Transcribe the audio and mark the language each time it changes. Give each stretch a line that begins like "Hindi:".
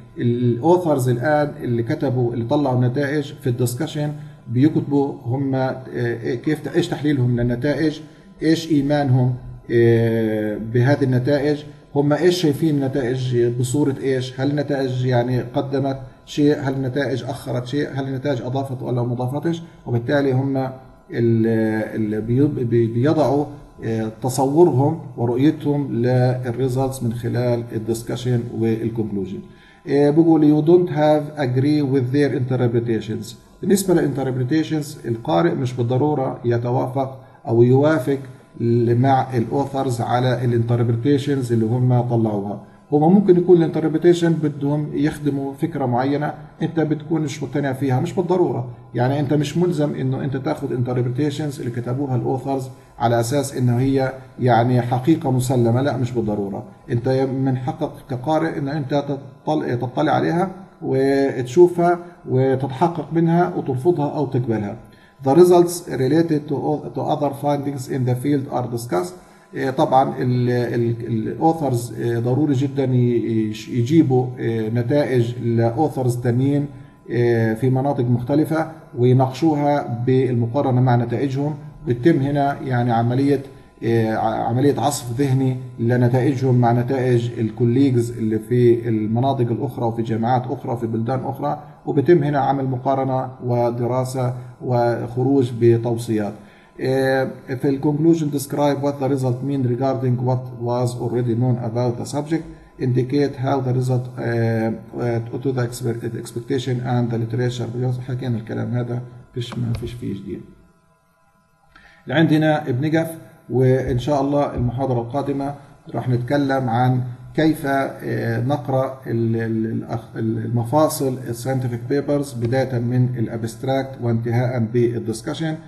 Arabic: الاوثرز الان اللي كتبوا اللي طلعوا النتائج في الدسكشن بيكتبوا هم كيف ايش تحليلهم للنتائج، ايش ايمانهم بهذه النتائج، هم ايش شايفين النتائج بصوره ايش، هل النتائج يعني قدمت شيء، هل النتائج اخرت شيء، هل النتائج اضافت ولا ما اضافتش، وبالتالي هم اللي بيضعوا تصورهم ورؤيتهم للريزلتس من خلال الدسكشن والكونكلوجن. بقول
English: you don't have agree with their interpretations.
Arabic: بالنسبة للinterpretations، القارئ مش بالضرورة يتوافق أو يوافق مع الأوثرز على الinterpretations اللي هم طلعوها. هما ممكن يكون الinterpretation بدهم يخدموا فكرة معينة أنت بتكون مش مقتنع فيها، مش بالضرورة. يعني أنت مش ملزم إنه أنت تأخذ interpretations اللي كتبوها الأوثرز على أساس إنه هي يعني حقيقة مسلمة، لا مش بالضرورة. أنت من حقك كقارئ إنه أنت تطلع عليها وتشوفها وتتحقق منها وترفضها أو تقبلها.
English: The results related to other findings in the field are discussed.
Arabic: طبعا الأوثرز ضروري جدا يجيبوا نتائج لأوثرز تانيين في مناطق مختلفة ويناقشوها بالمقارنة مع نتائجهم. بتتم هنا يعني عملية عصف ذهني لنتائجهم مع نتائج الكوليجز اللي في المناطق الأخرى وفي جامعات أخرى وفي بلدان أخرى، وبتم هنا عمل مقارنة ودراسة وخروج بتوصيات. في
English: الconclusion describe what the result mean regarding what was already known about the subject. Indicate how the result to the expectation and the literature.
Arabic: حكينا الكلام هذا، ما فيش فيه جديد. عندنا بنقف، وإن شاء الله المحاضرة القادمة راح نتكلم عن كيف نقرأ المفاصل الـ scientific papers بداية من الابستراكت وانتهاء بالدسكشن.